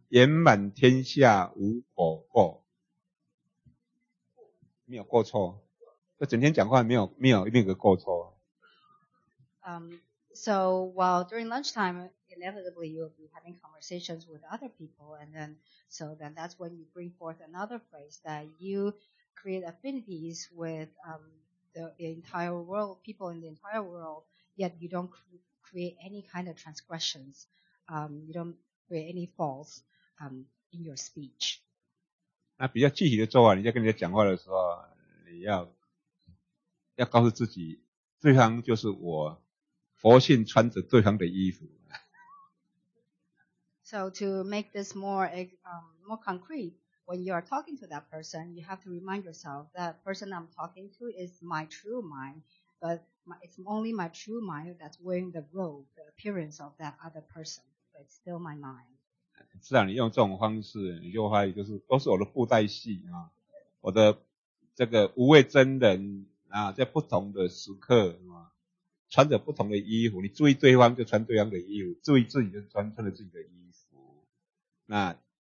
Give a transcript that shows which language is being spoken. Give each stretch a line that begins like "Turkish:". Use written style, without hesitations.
Chinese: 言满天下无口过，没有过错，就整天讲话没有一定有个过错。
English: So while during lunchtime, inevitably you will be having conversations with other people, and then so then that's when you bring forth another phrase that you create affinities with the entire world, people in the entire world, yet you don't create any kind of transgressions, you don't create any faults, in your speech.
Chinese: 那比较具体的做法，你在跟人家讲话的时候，你要告诉自己，对方就是我，佛性穿着对方的衣服。
English: So to make this more, more concrete,When you are talking to that person, you have to remind yourself that person I'm talking to is my true mind, but it's only my true mind that's wearing the robe, the appearance of that other person, but it's still my mind.
Chinese: 是啊，你用这种方式，你就怀疑就是都是我的布袋戏啊，我的这个无畏真人啊，在不同的时刻啊，穿着不同的衣服，你注意对方就穿对方的衣服，注意自己就穿着自己的衣服，那。